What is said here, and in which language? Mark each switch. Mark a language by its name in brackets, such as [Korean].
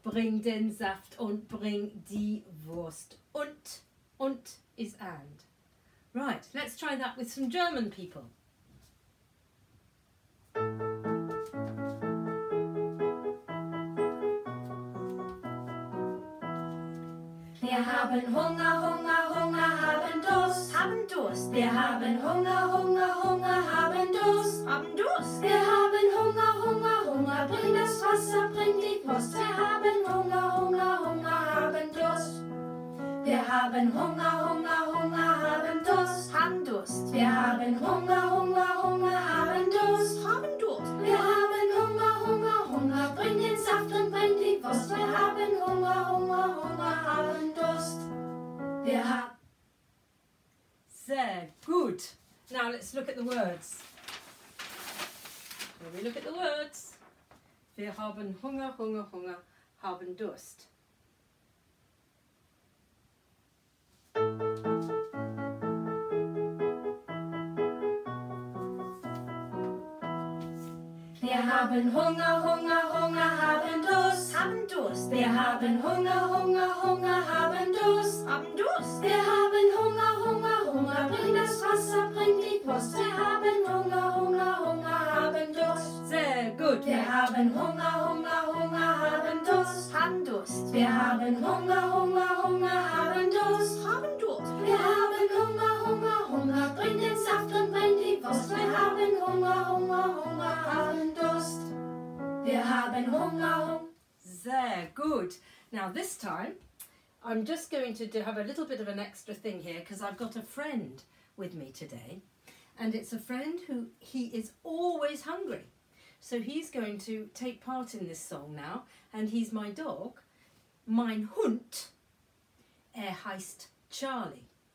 [German] Bring den Saft und bring die Wurst. [English] Und is and. Right, let's try that with some German people. [German] Wir haben Hunger, Hunger, Hunger, haben Durst. Haben Durst. Wir haben Hunger, Hunger, Hunger, haben Durst. Haben Durst. Wir haben Hunger, Hunger, Hunger, bring das Wasser, bring die Wurst. Wir haben Hunger, Hunger, Hunger, haben Durst. Wir haben Hunger, Hunger, Hunger, haben Durst. Haben Durst. Wir haben Hunger, Hunger, Hunger, haben Durst. Haben Durst. Wir haben Hunger, Hunger, Hunger, bring den Saft und bring die Wurst. Wir haben Hunger, Hunger, Hunger, haben Durst. Wir haben... Sehr gut. [English] Now let's look at the words. Here we look at the words. [German] Wir haben Hunger, Hunger, Hunger, haben Durst. Wir haben Hunger, Hunger, Hunger, haben Durst. Haben Durst. Wir haben Hunger, Hunger, Hunger, haben Durst. Haben Durst. Wir haben Hunger, Hunger, Hunger, bring das Wasser, bring die Wurst. Wir haben Hunger, Hunger, Hunger, haben Durst. Sehr gut. Wir haben Hunger, Hunger, Hunger, haben Durst. Haben Durst. Wir haben Hunger, Hunger, Hunger, haben Durst. Haben Durst. Wir haben Hunger, Hunger, Hunger, bring den Saft und bring die Wurst. Wir haben Hunger, Hunger, Hunger, haben Durst. Wir haben Hunger, Hunger. Sehr gut. [English] Now this time, I'm just going to have a little bit of an extra thing here because I've got a friend with me today. And it's a friend who, he is always hungry. So he's going to take part in this song now. And he's my dog, [German] mein Hund, er heißt Charlie.